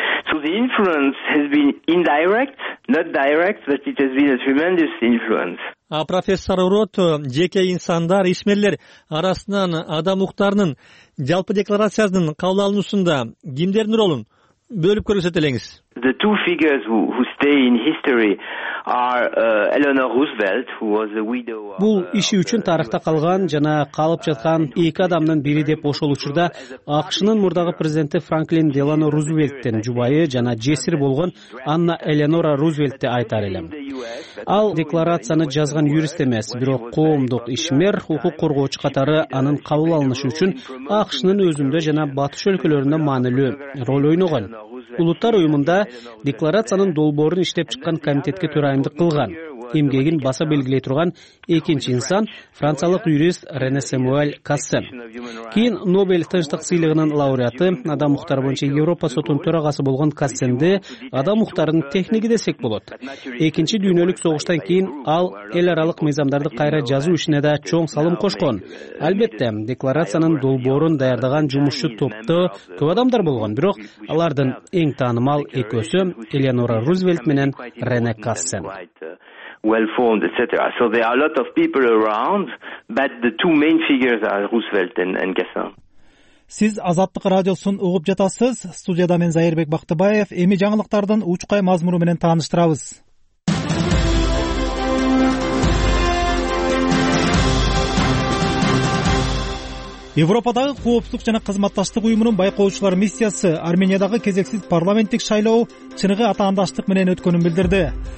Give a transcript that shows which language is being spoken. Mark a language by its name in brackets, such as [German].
[English] So the influence has been indirect, not direct, but it has been a tremendous influence. [Kyrgyz] А профессор Урот, жеке инсандар, ишмерлер арасынан адам укуктарынын жалпы декларациясынын кабыл алынуусунда кимдердин ролун бөлүп көрсөтө элеңиз? [English] The two figures who stay in history are Eleanor Roosevelt, who was a widow of. [Kyrgyz] Бул иши үчүн тарыхта калган жана калып жаткан эки адамдын бири деп ошол учурда АКШнын мурдагы президенти Франклин Делано Рузвельттин жубайы жана жесири болгон Анна Элеонора Рузвельтти айтар элем. Ал декларацияны жазган юрист эмес, бирок коомдук ишмер, укук коргоочу катары анын кабыл алынышы үчүн АКШнын өзүндө жана батыш өлкөлөрүндө маанилүү роль ойногон. Улуттар уюмунда декларациянын долбоорун иштеп чыккан комитетке төрайымдык кылган. Эмгегин баса белгилей турган экинчи инсан франциялык юрист Рене Самуэль Кассен. Кийин Нобель тынчтык сыйлыгынын лауреаты, адам укуктары боюнча Европа сотунун төрагасы болгон Кассенди адам укуктарынын техниги десек болот. Экинчи дүйнөлүк согуштан кийин ал эл аралык мыйзамдарды кайра жазуу ишине да чоң салым кошкон. Албетте, декларациянын долбоорун даярдаган жумушчу топто көп адамдар болгон, бирок алардын эң таанымал экөөсү Элеонора Рузвельт менен Рене Кассен. [English] Well formed, etc. So there are a lot of people around, but the two main figures are Roosevelt and Gasson. [Kyrgyz] Сиз Азаттык радиосун угуп жатасыз. Студияда мен Зайырбек Бактыбаев. Эми жаңылыктардын учкай мазмуну менен тааныштырабыз. Европадагы коопсуздук жана кызматташтык уюмунун байкоочулар миссиясы Армениядагы кезексиз парламенттик шайлоо чыныгы атаандаштык менен өткөнүн билдирди.